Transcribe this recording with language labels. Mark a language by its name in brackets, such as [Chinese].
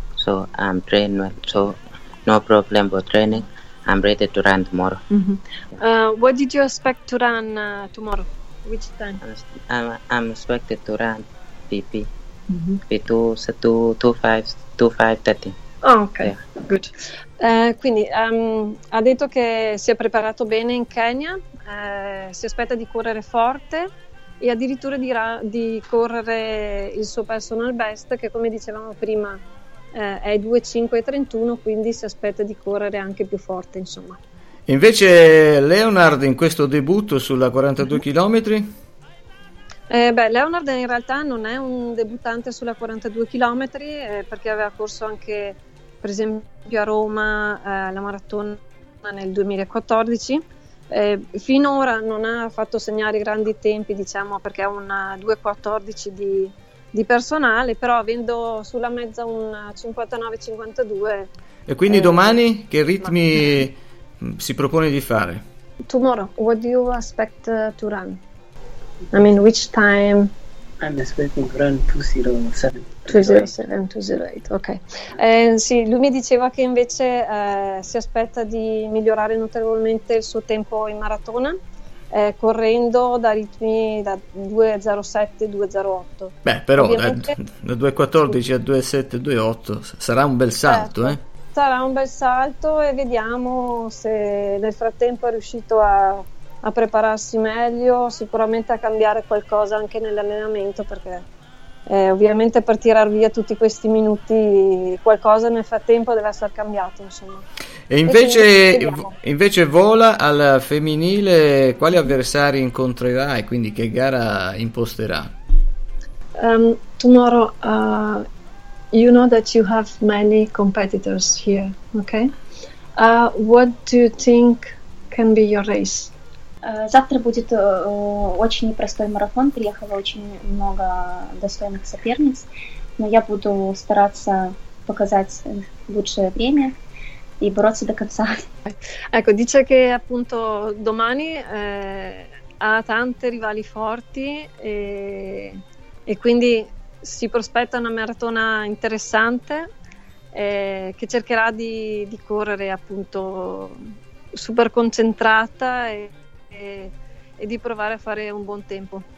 [English] So I'm trained well, so no problem for training. I'm ready to run tomorrow. What did you expect to run tomorrow? Which time? I'm expected to run PP with 2:05:30. Oh, ok, Yeah. good. [Italian] Quindi ha detto che si è preparato bene in Kenya, si aspetta di correre forte e addirittura di correre il suo personal best, che come dicevamo prima è 2:05:31, quindi si aspetta di correre anche più forte, insomma. Invece Leonard, in questo debutto sulla 42 km. Beh, Leonard in realtà non è un debuttante sulla 42 km, perché aveva corso anche, per esempio, a Roma la maratona nel 2014. Finora non ha fatto segnare grandi tempi, diciamo, perché ha un 2:14 di personale, però avendo sulla mezza un 59:52. E quindi domani che ritmi si propone di fare? [English] Tomorrow, what do you expect to run? I mean, which time? I'm expecting run 2:07:38. 2:07:38, ok. [Italian] Sì, lui mi diceva che invece si aspetta di migliorare notevolmente il suo tempo in maratona, correndo da ritmi da 2:07:208. Beh, però, Ovviamente, da 2:14 a 2:07:28 sarà un bel salto, eh? certo, sarà un bel salto e vediamo se nel frattempo è riuscito a prepararsi meglio, sicuramente a cambiare qualcosa anche nell'allenamento, perché ovviamente per tirar via tutti questi minuti qualcosa nel frattempo deve essere cambiato, insomma. E invece, vola al femminile, quali avversari incontrerà e quindi che gara imposterà? [English] Tomorrow, you know that you have many competitors here, okay? What do you think can be your race? [Russian] Завтра будет очень непростой марафон, приехало очень много достойных соперниц, но я буду стараться показать лучшее время. I brozzi da cazzare. [Italian] Ecco, dice che appunto domani ha tante rivali forti e quindi si prospetta una maratona interessante che cercherà di correre appunto super concentrata e di provare a fare un buon tempo.